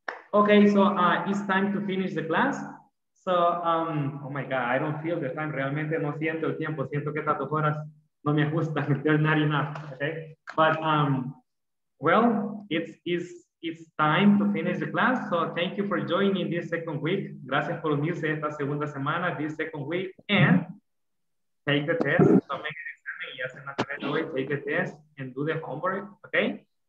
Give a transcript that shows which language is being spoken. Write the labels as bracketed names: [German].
[English] Okay, so it's time to finish the class. So, oh my God, I don't feel the time. [Spanish] Realmente no siento el tiempo. Siento que estas dos horas no me ajustan. [English] They're not enough. Okay. But, well, it's time to finish the class. So thank you for joining this second week. [Spanish] Gracias por unirse esta segunda semana, [English] this second week. And take the test. So make it. Take the test and do the homework, okay?